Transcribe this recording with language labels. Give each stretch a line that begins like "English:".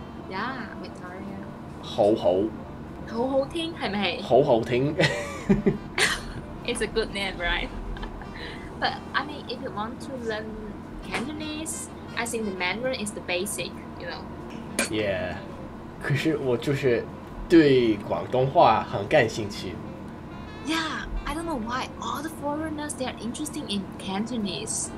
English: Yeah, Victoria.
Chinese: 好好好好听是不是好好听
English: It's a good name, right? But I mean, if you want to learn Cantonese, I think the Mandarin is the basic, you know? Yeah.
Chinese: 可是我就是对广东话很感兴趣。
English: Yeah, I don't know why all the foreigners, they are interested in Cantonese.